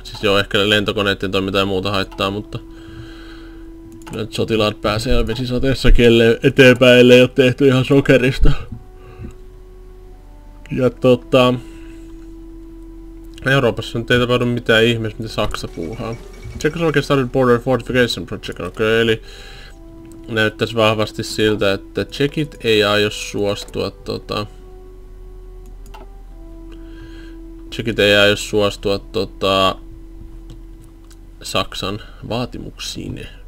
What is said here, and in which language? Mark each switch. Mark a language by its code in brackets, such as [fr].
[fi] Siis joo, ehkä lentokoneiden toiminta ja muuta haittaa, mutta nyt sotilaat pääsee vesisateessa eteenpäin, ellei ole tehty ihan sokerista. Ja Euroopassa nyt ei tapahdu mitään ihmeessä, mitä Saksa puuhaa. [en] Czechoslovakia started border fortification project. [fi] Okay, eli näyttäisi vahvasti siltä, että tsekit ei aio suostua Saksan vaatimuksiin.